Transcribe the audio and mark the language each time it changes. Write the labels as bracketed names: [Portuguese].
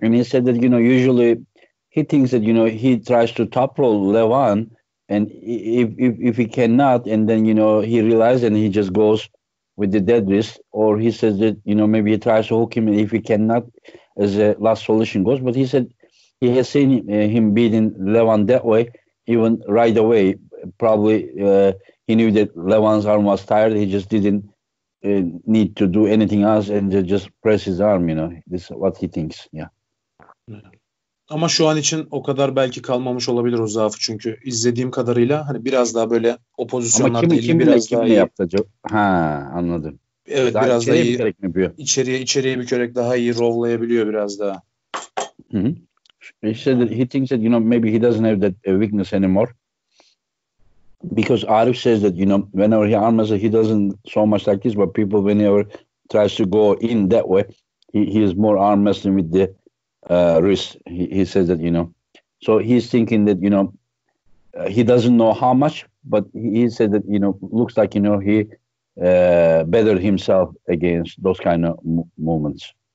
[English] And he said that you know usually he thinks that you know he tries to top roll Levan, and if he cannot, and then you know he realizes and he just goes with the dead wrist, or he says that you know maybe he tries to hook him, and if he cannot, as a last solution goes. But he said. He has seen him beating Levan that way, even right away. Probably he knew that Levan's arm was tired. He just didn't need to do anything else and just press his arm, you know. This is what he thinks, yeah. [Turkish] Ama şu an için o kadar belki kalmamış olabilir o zaafı. Çünkü izlediğim kadarıyla hani biraz daha böyle o pozisyonlarda kim biraz daha iyi. Yaptı acaba? Ha, anladım. Evet, daha biraz daha iyi. İçeriye bükerek daha iyi rollayabiliyor biraz daha. Hı-hı. [English] He said that he thinks that you know maybe he doesn't have that weakness anymore because Arif says that you know whenever he arm wrestles he doesn't so much like this but people whenever tries to go in that way he is more arm wrestling with the wrist he says that you know so he's thinking that you know he doesn't know how much but he said that you know looks like you know he bettered himself against those kind of movements.